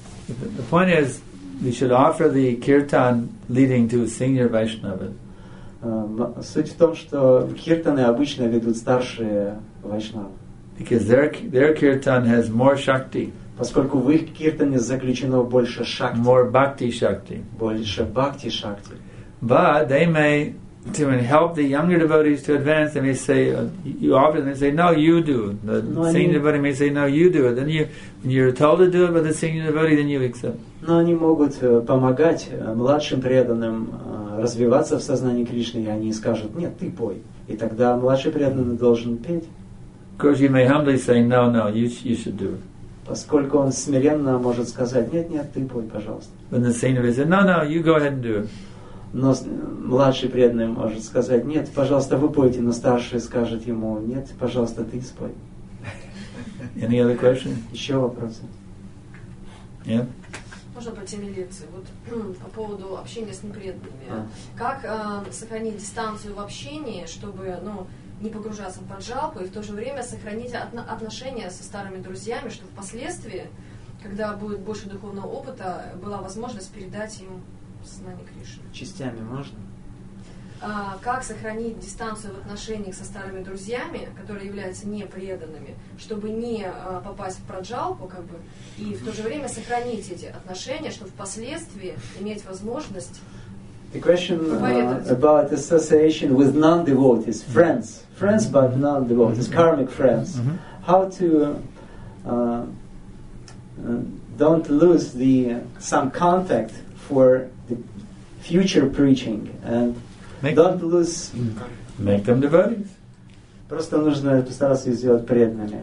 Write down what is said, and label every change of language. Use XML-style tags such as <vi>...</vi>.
<en>The point is, we should offer the kirtan leading to senior Vaishnava.</en> <ru>Суть в том, что киртаны обычно ведут старшие вайшнавы.</ru> <en>Because their kirtan has more shakti.</en> <ru>Поскольку в их киртане заключено больше шакти.</ru> <en>More bhakti shakti.</en> <ru>Больше бхакти шакти.</ru> <en>But they may to help the younger devotees to advance, they may say, you offer them, they say, no, you do. The senior devotee may say, no, you do it. Then you, when you're told to do it by the senior devotee, then you accept.</en> <ru>Но они могут помогать младшим преданным развиваться в сознании Кришны, и они скажут, нет, ты пой. И тогда младший преданный должен петь.</ru> <en>Of course, you may humbly say, no, you should do it.</en> <ru>Поскольку он смиренно может сказать, нет, нет, ты пой, пожалуйста.</ru> <en>When the senior devotee says, no, you go ahead and do it.</en> <ru>Но младший преданный может сказать, нет, пожалуйста, вы пойте, но старший скажет ему, нет, пожалуйста, ты спой.</ru> <en>Any other question?</en> <ru>Еще вопросы? Нет? Можно по теме лекции. Вот по поводу общения с непреданными. Как сохранить дистанцию в общении, чтобы не погружаться в паджапу и в то же время сохранить отношения со старыми друзьями, чтобы впоследствии, когда будет больше духовного опыта, была возможность передать им частями можно? Как сохранить дистанцию в отношениях со старыми друзьями, которые являются непреданными, чтобы не попасть в праджалпу, как бы, и в то же время сохранить эти отношения, чтобы впоследствии иметь возможность.</ru> <en>The question about association with non-devotees, friends, friends but non-devotees, karmic friends. How to don't lose the some contact for future preaching and don't lose. Make them devotees.</en> <ru>Просто нужно постараться сделать преданными.</ru>